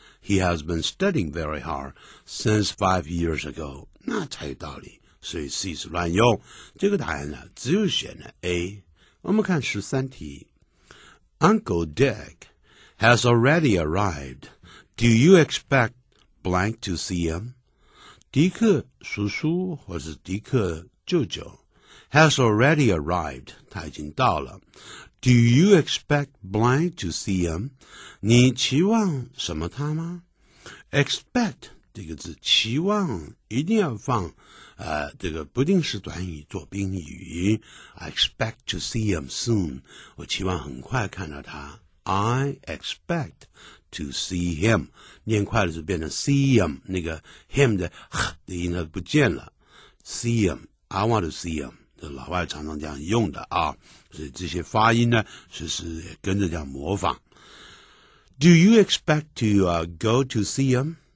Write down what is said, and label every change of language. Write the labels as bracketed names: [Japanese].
[English] He has been studying very hard since 5 years ago. [Chinese] 那才有道理，所以 C 是乱用。这个答案呢，只有选了 A。我们看13题。 [English] Uncle Dick has already arrived. Do you expect blank to see him? [Chinese] 迪克叔叔或是迪克舅舅 [English] has already arrived. [Chinese] 他已经到了。 [English] Do you expect blank to see him? [Chinese] 你期望什么他吗 ? [English] Expect [Chinese] 这个字期望一定要放这个不定式短语做宾语。 [English] I expect to see him soon. [Chinese] 我期望很快看到他。 [English] I expect to see him. [Chinese] 念快的时候变成 see him, 那个 him 的的音呢不见了。 [English] See him, I want to see him. [Chinese] 老外常常这样用的啊，所以这些发音呢，其实也跟着这样模仿。 [English] Do you expect to go to see him?